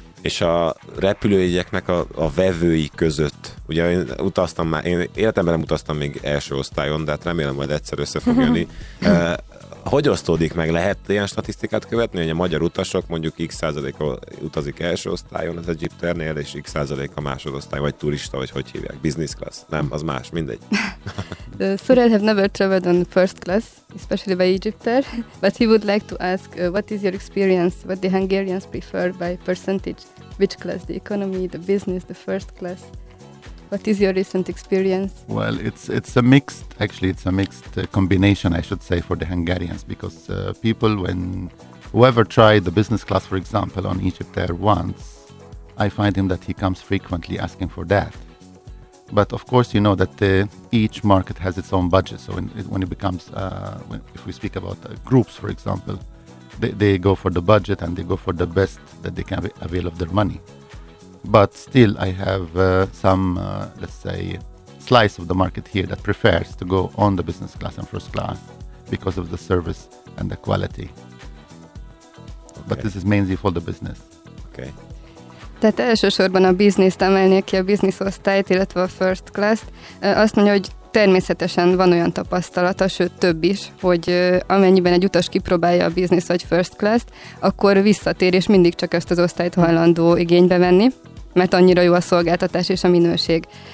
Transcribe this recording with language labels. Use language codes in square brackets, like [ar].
[hu] És a repülőjegyeknek a vevői között, ugye én utaztam már, én életemben nem utaztam még első osztályon, de hát remélem majd egyszer össze fog jönni. Hogy osztódik meg? Lehet ilyen statisztikát követni, hogy a magyar utasok mondjuk x%-a utazik első osztályon az Egyipternél, és x%-a másodosztály, vagy turista, vagy hogy hívják? Business class? Nem, az más, mindegy. [en] Sorrel have never traveled on first class, especially by Egypter, but he would like to ask, what is your experience, what the Hungarians prefer by percentage, which class, the economy, the business, the first class? What is your recent experience? Well, it's a mixed combination, I should say, for the Hungarians, because people, when whoever tried the business class, for example, on Egypt Air once, I find him that he comes frequently asking for that. But of course, you know that each market has its own budget. So when it becomes, if we speak about groups, for example, they go for the budget and they go for the best that they can avail of their money. But still, I have some slice of the market here that prefers to go on the business class and first class because of the service and the quality. Okay. But this is mainly for the business. Okay. [hu] Tehát elsősorban a bizniszt emelnék ki, a business osztályt, illetve a first class-t. Azt mondja, hogy természetesen van olyan tapasztalata, sőt több is, hogy amennyiben egy utas kipróbálja a business vagy first class-t, akkor visszatér, és mindig csak ezt az osztályt hajlandó igénybe venni, mert annyira jó a szolgáltatás és a minőség.